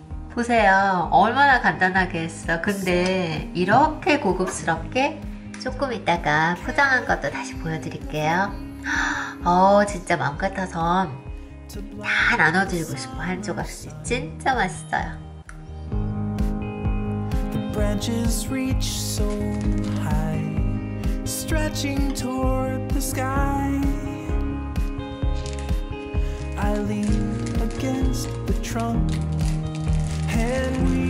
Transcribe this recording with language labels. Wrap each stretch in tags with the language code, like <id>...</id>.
<ko>보세요. 얼마나 간단하게 했어. 근데, 이렇게 고급스럽게? 조금 이따가 포장한 것도 다시 보여드릴게요. 진짜 마음 같아서 다 나눠드리고 싶어. 한 조각씩. 진짜 맛있어요.</ko> <en>Branches reach so high, stretching toward the sky. I lean against the trunk, and</en>